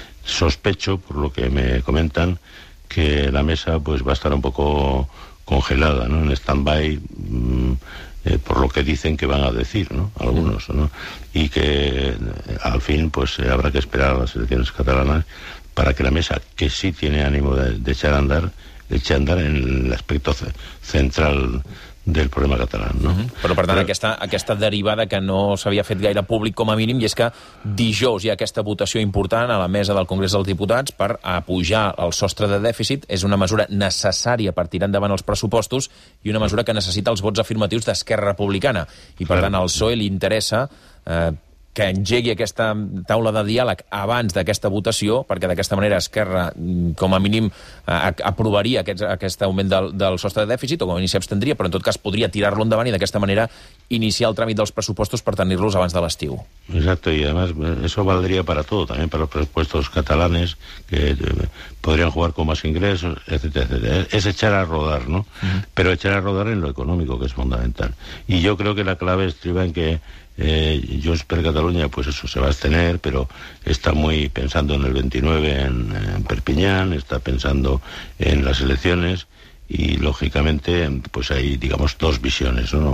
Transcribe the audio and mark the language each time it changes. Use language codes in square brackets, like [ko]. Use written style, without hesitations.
[es] Sospecho, por lo que me comentan, que la mesa pues va a estar un poco congelada, ¿no? En stand-by, por lo que dicen que van a decir, ¿no? Algunos, ¿no? Y que al fin pues habrá que esperar a las elecciones catalanas para que la mesa, que sí tiene ánimo de echar a andar en el aspecto central [ca] del problema català, no? Però, per tant, aquesta derivada que no s'havia fet gaire públic, com a mínim, i és que dijous hi ha aquesta votació important a la mesa del Congrés dels Diputats per apujar el sostre de dèficit, és una mesura necessària per tirar endavant els pressupostos i una mesura que necessita els vots afirmatius d'Esquerra Republicana. I, per tant, al PSOE li interessa que engegui aquesta taula de diàleg abans d'aquesta votació, perquè d'aquesta manera Esquerra, com a mínim, aprovaria aquest augment del sostre de dèficit, o com a mínim s'abstindria, però en tot cas podria tirar-lo endavant i d'aquesta manera iniciar el tràmit dels pressupostos per tenir-los abans de l'estiu. [es] Exacte, i además eso valdría para todo, también para los presupuestos catalanes, que podrían jugar con más ingresos, etcétera, etcétera. Es echar a rodar, ¿no? Pero echar a rodar en lo económico, que es fundamental. Y yo creo que la clave estriba en que Junts per Catalunya, pues eso, se va a abstener, pero está muy pensando en el 29 en Perpiñán, está pensando en las elecciones, y lógicamente pues hay, digamos, dos visiones, ¿no?